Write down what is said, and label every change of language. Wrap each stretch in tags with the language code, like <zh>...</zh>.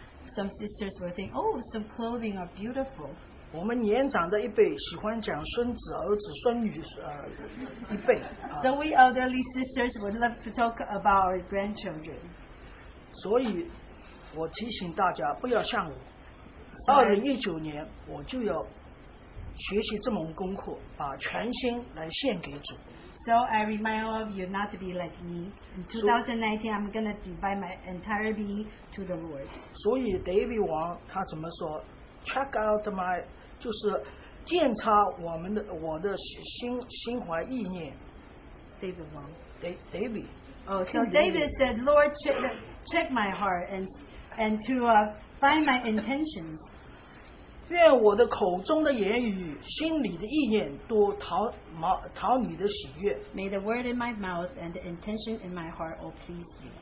<en>Some sisters will think, oh, some clothing are beautiful.</en> <zh>我们年长的一辈喜欢讲孙子,儿子,孙女,一辈。</zh> <en>So we elderly sisters would love to talk about our grandchildren.</en> <zh>所以,我提醒大家,不要像我。2019年, 我就要 学习这门功课,把全心来献给主。</zh> <en>So I remind all of you not to be like me. In 2019, I'm going to devote my entire being to the Lord.</en> <zh>所以David王他怎么说?</zh> <en>Check out my,</en> <zh>就是检查我的心怀意念。 David王?</zh> <en>David. Oh, so David said, Lord, check my heart and and to find my intentions.</en> <zh>愿我的口中的言语, 心里的意念, 多讨你的喜悦。</zh> <en>May the word in my mouth and the intention in my heart all please you.</en>